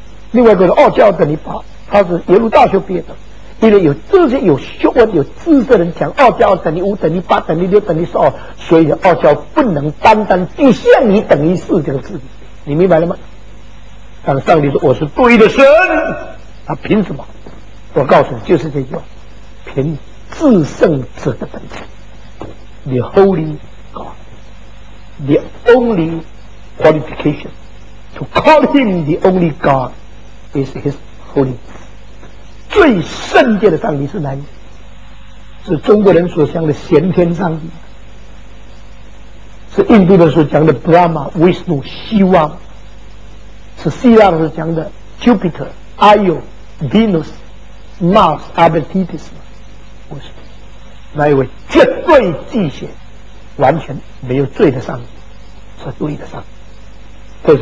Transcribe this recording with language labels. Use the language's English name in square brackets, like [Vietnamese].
[Chinese] 另外一个是二加二等于八，他是耶鲁大学毕业的，因为有这些有学问有知识的人讲二加二等于五等于八等于六等于十二，所以二加二不能单单局限于等于四这个字，你明白了吗？当上帝说我是对的神，他凭什么？我告诉你，就是这句话，凭至圣者的本质。 [English] The holy God, the only qualification to call him the only God is his holiness. [Chinese] 最圣洁的上帝是哪一位？是中国人所讲的玄天上帝，是印度人所讲的 Brahma, Vishnu, 希望，是希腊人所讲的 Jupiter, Io, Venus, Mars, Abertitis, 不是那一位绝对祭血完全没有罪的上帝，是对的上帝。